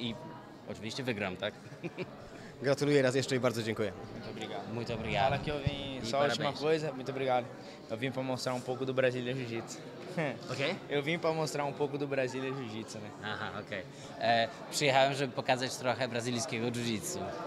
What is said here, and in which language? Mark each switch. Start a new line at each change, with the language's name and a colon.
Polish: I oczywiście wygram, tak? Gratuluję raz jeszcze i bardzo dziękuję.
Portuguese: Muito obrigado. Fala que eu vim, só a última coisa, muito obrigado. Eu vim para mostrar um pouco do Brazilian Jiu-Jitsu. Ok? Eu vim para mostrar um pouco do Brazilian Jiu-Jitsu, né? Aham, ok.
Polish: Przyjechałem, żeby pokazać trochę brasileiro Jiu-Jitsu.